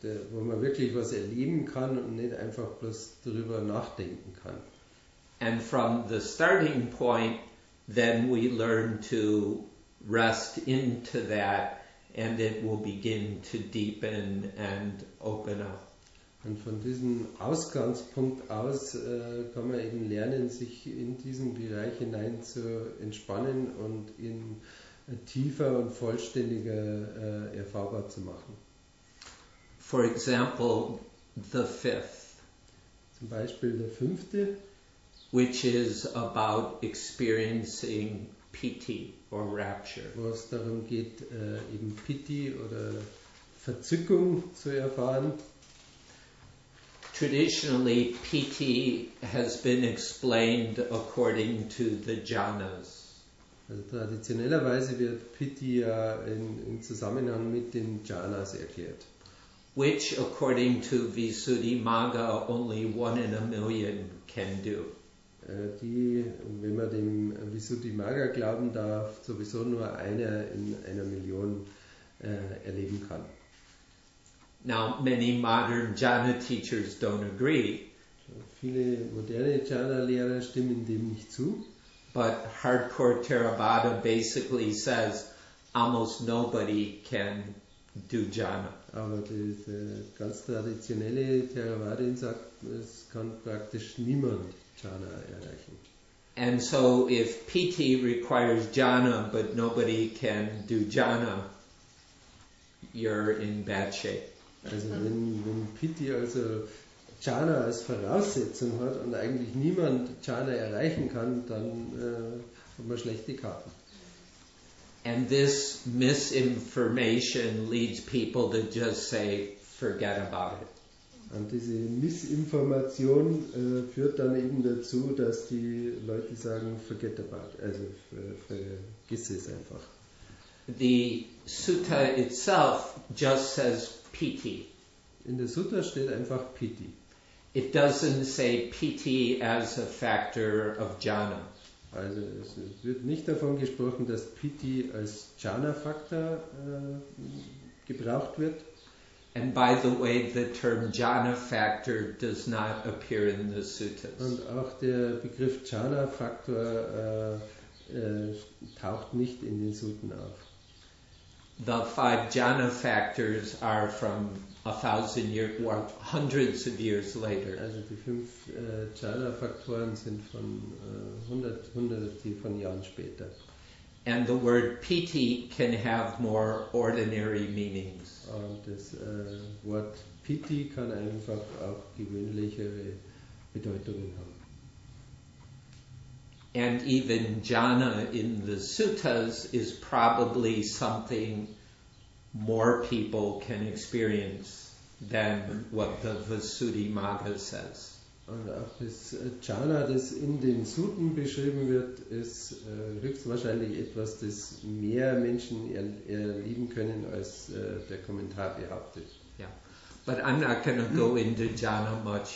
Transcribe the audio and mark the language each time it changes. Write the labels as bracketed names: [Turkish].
[German] Wo man wirklich was erleben kann und nicht einfach bloß darüber nachdenken kann. [English] And from the starting point, then we learn to rest into that and it will begin to deepen and open up. [German] Und von diesem Ausgangspunkt aus kann man eben lernen, sich in diesen Bereich hinein zu entspannen und ihn tiefer und vollständiger erfahrbar zu machen. [English] For example, the fifth. [German] Zum Beispiel der fünfte. [English] Which is about experiencing piti or rapture. [German] Wo es darum geht, eben piti oder Verzückung zu erfahren. [English] Traditionally, piti has been explained according to the jhanas. [German] Also traditionellerweise wird piti ja in Zusammenhang mit den jhanas erklärt. [English] Which, according to Visuddhimagga, only one in a million can do. [German] Die, wenn man dem Visuddhimagga glauben darf, sowieso nur einer in einer Million erleben kann. [English] Now, many modern jhana teachers don't agree. [German] Viele moderne Jhana-Lehrer stimmen dem nicht zu. [English] But hardcore Theravada basically says, almost nobody can do jhana. [German] Aber das ganz traditionelle Theravada sagt, es kann praktisch niemand jhana erreichen. [English] And so if PT requires jhana, but nobody can do jhana, you're in bad shape. [German] Also wenn Piti also Jhana als Voraussetzung hat und eigentlich niemand Jhana erreichen kann, dann hat man schlechte Karten. [English] And this misinformation leads people to just say, forget about it. [German] Und diese Misinformation führt dann eben dazu, dass die Leute sagen, [English] forget about it, [German] also vergiss es einfach. [English] The Sutta itself just says piti. [German] In der Sutta steht einfach piti. [English] It doesn't say piti as a factor of jhana. [German] Also es wird nicht davon gesprochen, dass piti als jhana-Faktor gebraucht wird. [English] And by the way, the term jhana-Faktor does not appear in the suttas. [German] Und auch der Begriff jhana-Faktor taucht nicht in den Sutten auf. [English] The five jhana factors are from 1,000 years, or hundreds of years later. [German] Also die fünf jhana Faktoren sind von hunderte von Jahren später. [English] And the word piti can have more ordinary meanings. [German] Und das Wort piti kann einfach auch gewöhnlichere Bedeutungen haben. [English] And even jhana in the suttas is probably something more people can experience than what the Visuddhimagga says. [German] Und auch das Jhana, das in den Sutten beschrieben wird, ist höchstwahrscheinlich etwas, das mehr Menschen erleben können, als der Kommentar behauptet. [English] Yeah. But I'm not going to go into jhana much.